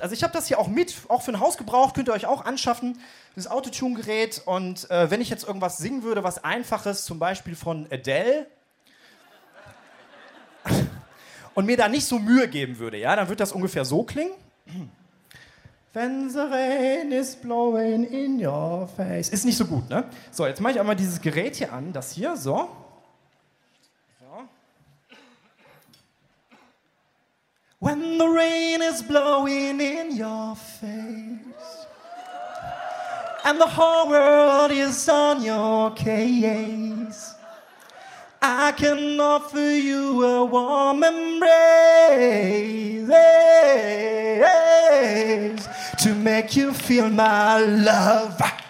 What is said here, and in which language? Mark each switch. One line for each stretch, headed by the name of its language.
German: Also ich habe das hier auch mit, auch für den Hausgebrauch, könnt ihr euch auch anschaffen, das Autotune-Gerät. Und wenn ich jetzt irgendwas singen würde, was Einfaches, zum Beispiel von Adele, und mir da nicht so Mühe geben würde, ja, dann würde das ungefähr so klingen.
English: When the rain is blowing in your face.
German: Ist nicht so gut, ne? So, jetzt mache ich einmal dieses Gerät hier an, das hier, so.
English: When the rain is blowing in your face and the whole world is on your case, I can offer you a warm embrace to make you feel my love.